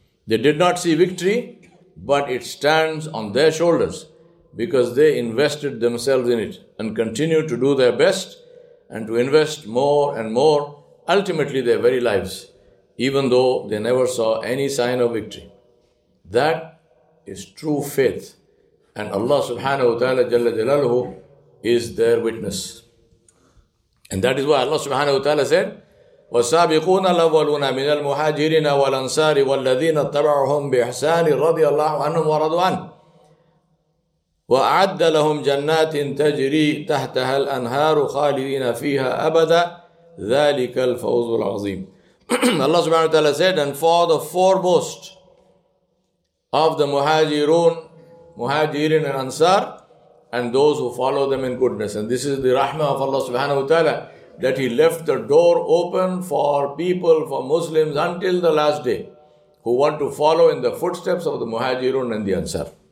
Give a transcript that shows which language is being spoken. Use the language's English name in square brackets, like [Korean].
[English] They did not see victory, but it stands on their shoulders because they invested themselves in it and continue to do their best and to invest more and more, ultimately their very lives, even though they never saw any sign of victory. That is true faith, and Allah subhanahu wa ta'ala jalla jalaluhu is their witness. And that is why Allah subhanahu wa ta'ala said, [Arabic] والسابقون الأولون من المهاجرين والأنصار والذين اتبعهم بإحسان رضي الله عنهم ورضوا عنه وأعد لهم جنات تجري تحتها الأنهار خالدين فيها أبدا ذلك الفوز العظيم. [English] Allah subhanahu wa ta'ala said, and for the foremost of the muhajirin and ansar, and those who follow them in goodness. And this is the rahmah of Allah subhanahu wa ta'ala, that He left the door open for people, for Muslims, until the last day, who want to follow in the footsteps of the muhajirun and the ansar.